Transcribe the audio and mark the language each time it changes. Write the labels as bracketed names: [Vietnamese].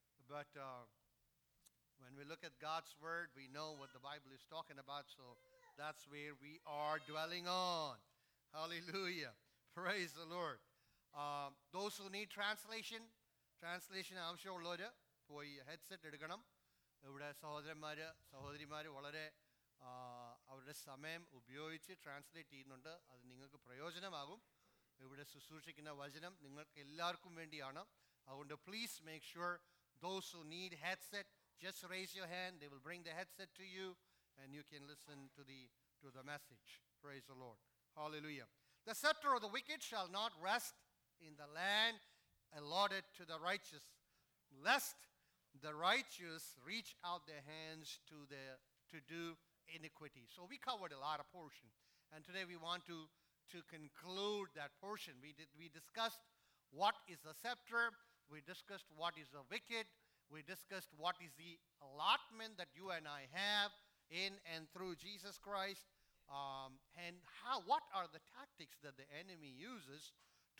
[English] But when we look at God's word, we know what the Bible is talking about, so that's where we are dwelling on. Hallelujah. Praise the Lord. Those who need translation, I'm sure, Lord, for your headset, [Malayalam] Edukanam. Ivide sahodaranmare, sahodarimare, valare. അവരുടെ സമയം ഉപയോഗിച്ച് translate ചെയ്യുന്നുണ്ട്. അത് നിങ്ങൾക്ക് പ്രയോജനമാകും. ഇവിടെ ശുശ്രൂഷിക്കുന്ന വചനം നിങ്ങൾക്ക് എല്ലാവർക്കും വേണ്ടിയാണ്. അതുകൊണ്ട് [English] Please make sure those who need headset just raise your hand. They will bring the headset to you and you can listen to the message. Praise the Lord. Hallelujah. The sceptre of the wicked shall not rest in the land allotted to the righteous lest the righteous reach out the hands to the iniquity. So we covered a lot of portion, and today we want to conclude that portion. We discussed what is the scepter, we discussed what is the wicked, we discussed what is the allotment that you and I have in and through Jesus Christ, and what are the tactics that the enemy uses to